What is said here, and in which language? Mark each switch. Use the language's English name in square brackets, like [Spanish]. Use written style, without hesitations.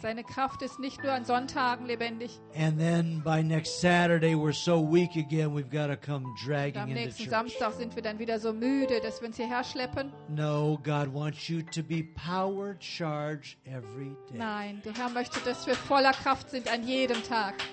[German] Seine Kraft ist nicht nur an Sonntagen lebendig. [English] And then by next Saturday we're so weak again we've got to come dragging into church. [German] Am nächsten Samstag sind wir dann wieder so müde, dass wir uns hierher schleppen. [English] No, God wants you to be power charged every day. [German] Nein, der Herr möchte, dass wir voller Kraft sind an jedem Tag.